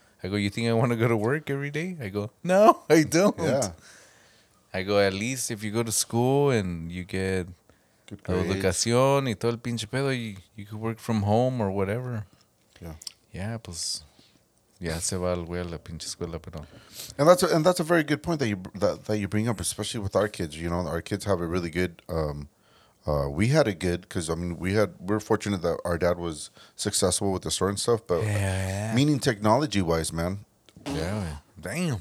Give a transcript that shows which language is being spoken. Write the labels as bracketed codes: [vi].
[en] I go, you think I want to go to work every day? I go, no, I don't. Yeah. I go, at least if you go to school and you get la [es] educación y todo el pinche pedo, [en] you could work from home or whatever. Yeah. [es] Yeah, pues, ya se va el güey a la pinche escuela, pero. [en] And that's a very good point that you bring up, especially with our kids. You know, our kids have a really good, we had a good, because, I mean, we're fortunate that our dad was successful with the store and stuff, but meaning technology-wise, man. Yeah. Damn.